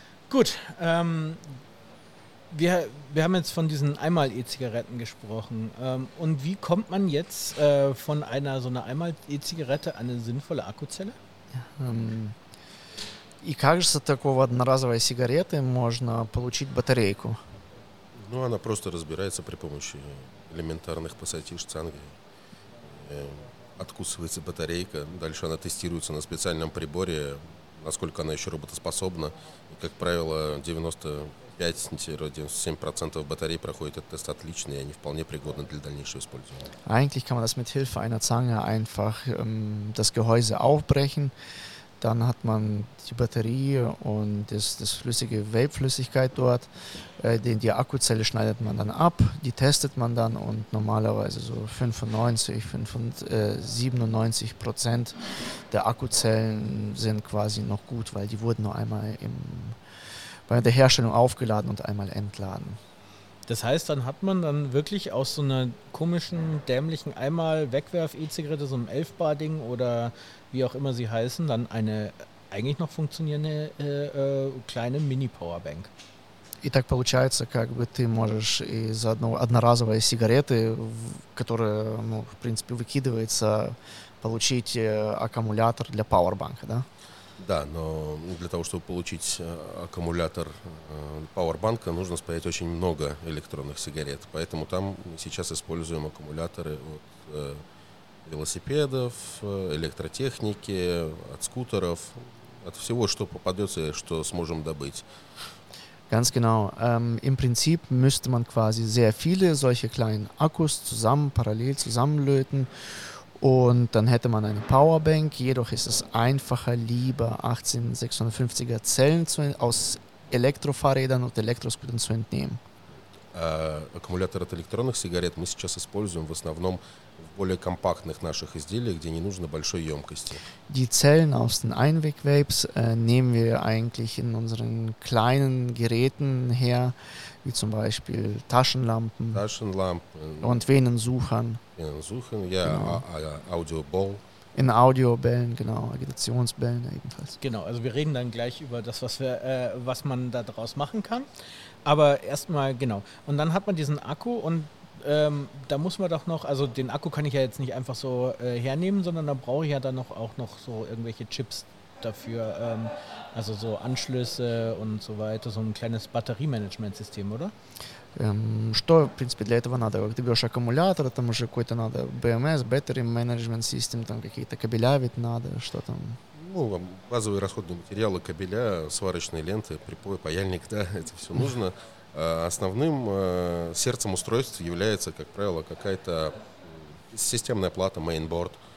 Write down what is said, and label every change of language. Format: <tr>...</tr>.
<de>Gut, wir haben jetzt von diesen Einmal-E-Zigaretten gesprochen. Und wie kommt man jetzt von einer so einer Einmal-E-Zigarette an eine sinnvolle Akkuzelle?</de> <ru>И как же с такого одноразовой сигареты можно получить батарейку? Ну, она просто разбирается при помощи элементарных пассатиш цанги. Откусывается батарейка, дальше она тестируется на специальном приборе, насколько она еще работоспособна. И, как правило, 95-97% батарей проходит этот тест отлично, и они вполне пригодны для дальнейшего использования.</ru> <de>Eigentlich kann man das mit Hilfe einer Zange einfach das Gehäuse aufbrechen, dann hat man die Batterie und das flüssige Vapeflüssigkeit dort, die Akkuzelle schneidet man dann ab, die testet man dann und normalerweise so 95-97% der Akkuzellen sind quasi noch gut, weil die wurden nur einmal bei der Herstellung aufgeladen und einmal entladen. Das heißt, dann hat man dann wirklich aus so einer komischen, dämlichen Einmal-Wegwerf-E-Zigarette, so einem 11-Bar-Ding oder wie auch immer sie heißen, dann eine eigentlich noch funktionierende kleine Mini-Powerbank.</de> <ru>И так получается, как бы ты можешь из одной одноразовой сигареты, которая, ну, в принципе, выкидывается, получить аккумулятор для Powerbank, да? Да, но для того, чтобы получить аккумулятор пауэрбанка, нужно спаять очень много электронных сигарет. Поэтому там мы сейчас используем аккумуляторы от велосипедов, электротехники, от скутеров, от всего, что попадется, что сможем добыть.</ru> <de>Ganz genau. Im Prinzip müsste man quasi sehr viele solche kleinen Akkus zusammen, parallel zusammenlöten. Und dann hätte man eine Powerbank, jedoch ist es einfacher, lieber 18650er Zellen aus Elektrofahrrädern und Elektroscootern zu entnehmen.</de> <ru>Аккумулятор от электронных сигарет мы сейчас используем в основном в более компактных наших изделиях, где не нужно большой емкости.</ru> <de>Die Zellen aus den Einwegvapes nehmen wir eigentlich in unseren kleinen Geräten her, wie zum Beispiel Taschenlampen, und Venensuchern. Venensuchern, ja, Audioball. In Audiobällen, genau, Agitationsbällen ebenfalls. Genau, also wir reden dann gleich über das, was man da draus machen kann. Aber erstmal, genau. Und dann hat man diesen Akku und da muss man doch noch, also den Akku kann ich ja jetzt nicht einfach so hernehmen, sondern da brauche ich ja dann noch auch noch so irgendwelche Chips dafür, also so Anschlüsse und so weiter, so ein kleines Batteriemanagementsystem, oder?</de> <ru>Что, в принципе, для этого надо? Ты берешь аккумулятор, там уже какой-то надо BMS, Battery Management System, там какие-то кабеля ведь надо, что там? Ну, базовые расходные материалы, кабеля, сварочные ленты, припой, паяльник, да, это все нужно. Основным сердцем устройства является, как правило, какая-то системная плата, mainboard,</ru>